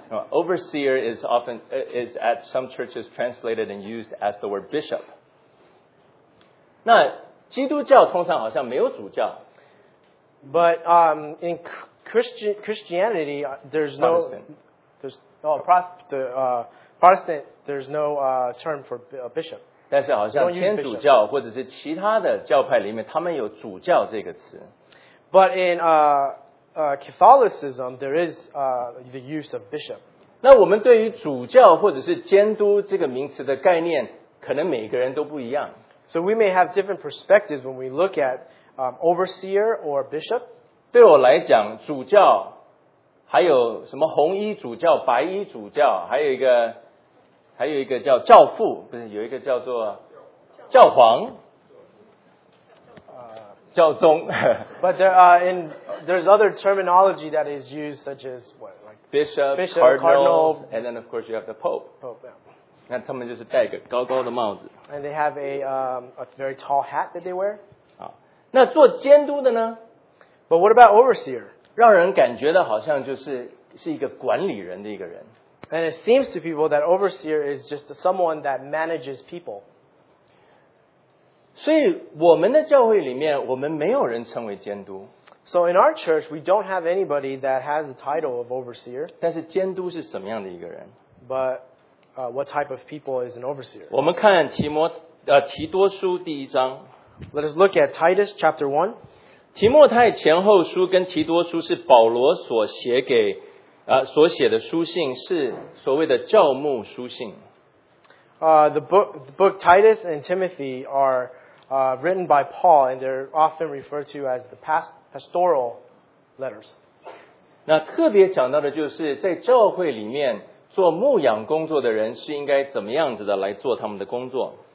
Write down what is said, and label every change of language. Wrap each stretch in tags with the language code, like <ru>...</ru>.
<en>Overseer is often is at some churches translated and used as the word bishop.</en> <zh>那基督教通常好像没有主教。</zh> <en>But in Christianity, there's no term for bishop.</en> <zh>但是好像天主教或者是其他的教派里面，他们有主教这个词。</zh> <en>But in Catholicism, there is the use of bishop.</en> <zh>那我们对于主教或者是监督这个名词的概念，可能每个人都不一样。</zh> <en>So we may have different perspectives when we look at overseer or bishop.</en> <zh>对我来讲，主教还有什么红衣主教、白衣主教，还有一个叫教父，不是有一个叫做教皇。教宗</zh> <en>but there's other terminology that is used, such as what, like bishop cardinals, and then of course you have the pope. Yeah.</en> <zh>那他们就是戴一个高高的帽子。</zh> <en>And they have a very tall hat that they wear.</en> <zh>好，那做监督的呢？</zh> <en>But what about overseer?</en> <zh>让人感觉的好像就是一个管理人的一个人。</zh> <en>And it seems to people that overseer is just someone that manages people.</en> <zh>所以我们的教会里面，我们没有人称为监督。</zh> <en>So in our church, we don't have anybody that has the title of overseer.</en> <zh>但是监督是什么样的一个人？</zh> <en>But what type of people is an overseer?</en> <zh>我们看提多书第一章。</zh> <en>Let us look at Titus chapter 1.</en> <zh>提摩太前后书跟提多书是保罗所写的书信，是所谓的教牧书信。</zh> <en>The book Titus and Timothy are written by Paul, and they're often referred to as the pastoral letters.</en> <zh>那特别讲到的就是在教会里面做牧养工作的人是应该怎么样子的来做他们的工作。</zh>